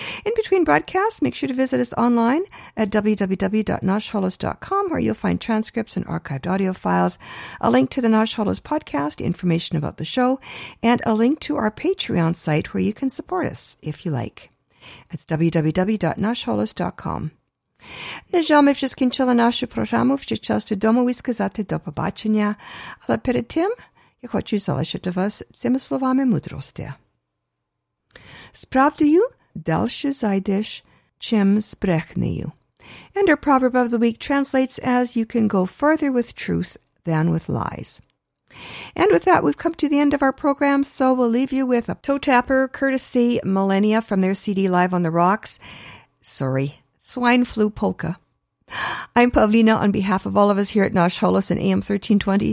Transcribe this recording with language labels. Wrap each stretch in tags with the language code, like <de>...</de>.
<en>In between broadcasts, make sure to visit us online at www.nashholos.com where you'll find transcripts and archived audio files, a link to the Nash Holos podcast, information about the show, and a link to our Patreon site where you can support us if you like. That's www.nashholos.com.</en> <uk>Не жаль, ми вже скінчили нашу програму, вже час додому і сказати до побачення. Але перед тим я хочу залишити вас цими словами мудрості. Справдою далі зайдеш, чим збрехнею.</uk> <en>And our proverb of the week translates as you can go further with truth than with lies. And with that, we've come to the end of our program, so we'll leave you with a toe tapper courtesy Millennia from their CD Live on the Rocks. Sorry. Swine Flu Polka. I'm Pavlina on behalf of all of us here at Nash Holos and AM 1320.</en>